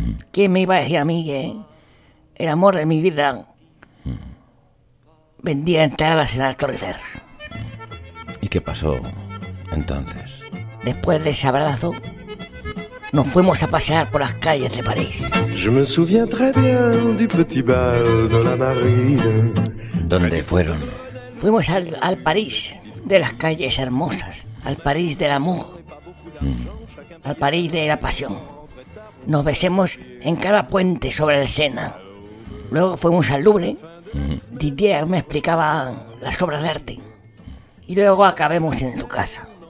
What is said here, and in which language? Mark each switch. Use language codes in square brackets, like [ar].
[es] ¿Quién me iba a decir a mí que el amor de mi vida vendía entradas en la Torre Eiffel? ¿Y qué pasó entonces? Después de ese abrazo nos fuimos a pasear por las calles de París. [fr] Je me souviens très bien du petit bal de la marine. [es] ¿Dónde fueron? Fuimos al París de las calles hermosas, al París del amor, al París de la pasión. Nos besamos en cada puente sobre el Sena. Luego fuimos al Louvre. Didier me explicaba las obras de arte. Y luego acabemos en su casa.